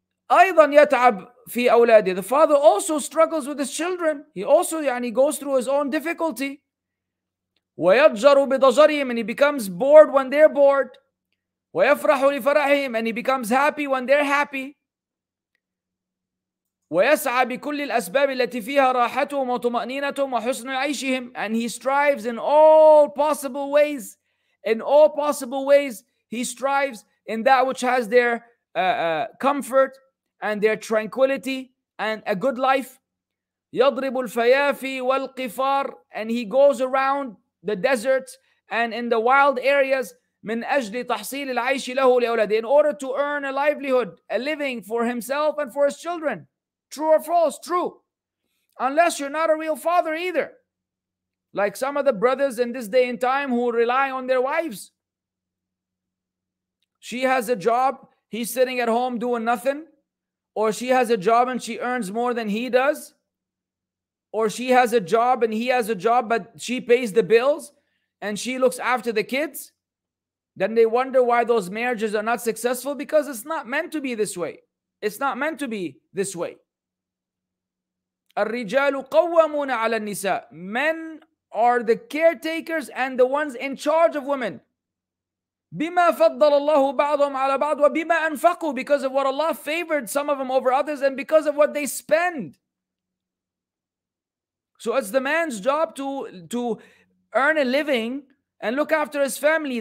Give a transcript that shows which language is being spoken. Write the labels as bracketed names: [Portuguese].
[Arabic] أيضاً يتعب في أولاده. [English] The father also struggles with his children. He also يعني goes through his own difficulty. [Arabic] ويضجر بضجرهم, [English] and he becomes bored when they're bored. [Arabic] ويفرح لفرحهم, [English] and he becomes happy when they're happy. [Arabic] ويسعى بكل الأسباب التي فيها راحتهم وطمأنينتهم وحسن عيشهم, [English] and he strives in all possible ways. In all possible ways, he strives in that which has their comfort and their tranquility and a good life. [Arabic] يضرب الفيافي والقفار, [English] and he goes around the deserts and in the wild areas [Arabic] من أجل تحصيل العيش له لأولاده, [English] in order to earn a livelihood, a living for himself and for his children. True or false? True. Unless you're not a real father either. Like some of the brothers in this day and time who rely on their wives. She has a job, he's sitting at home doing nothing. Or she has a job and she earns more than he does. Or she has a job and he has a job, but she pays the bills and she looks after the kids. Then they wonder why those marriages are not successful, because it's not meant to be this way. It's not meant to be this way. [Arabic] الرجال قوامون على النساء. [English] Men are the caretakers and the ones in charge of women. [Arabic] بما فضل الله بعضهم على بعض وبما أنفقوا, [English] because of what Allah favored some of them over others and because of what they spend. So it's the man's job to earn a living and look after his family.